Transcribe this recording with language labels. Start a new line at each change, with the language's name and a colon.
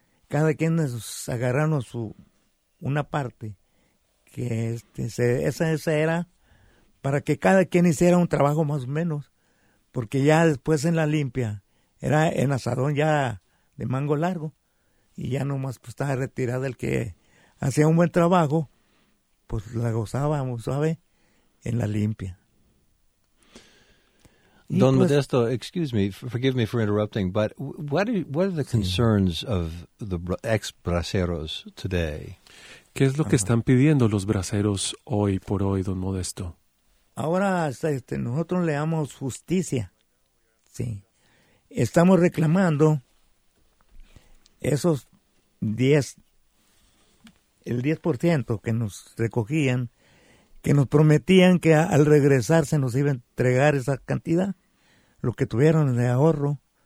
Spanish: Cada quien agarraron una parte, que esa era para que cada quien hiciera un trabajo más o menos, porque ya después en la limpia era en asadón ya de mango largo, y ya nomás pues estaba retirado el que hacía un buen trabajo, pues la gozábamos, ¿sabe? En la limpia.
English: Don Modesto, excuse me, forgive me for interrupting, but what are the concerns of the ex-braceros today?
Spanish: ¿Qué es lo que están pidiendo los braceros hoy por hoy, Don Modesto? Ahora nosotros le damos justicia, sí. Estamos reclamando esos 10% que nos recogían, que nos prometían que al regresar se nos iba a entregar esa cantidad, lo que tuvieron de ahorro.